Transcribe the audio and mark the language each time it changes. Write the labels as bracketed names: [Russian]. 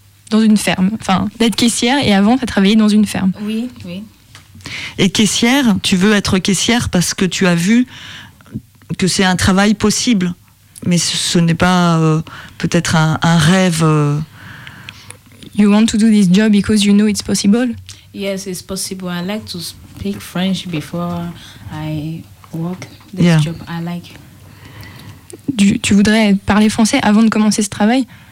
[French] dans une ferme, enfin d'être caissière et avant de travailler dans une ferme. Oui, oui. Et caissière, tu veux être caissière parce que tu as vu que c'est un travail possible, mais ce n'est pas peut-être un rêve. [English] You want to do this job because you know it's possible? Yes, it's possible. I like to speak French before I work this yeah. job. I like. [French] Tu voudrais parler français avant de commencer ce travail?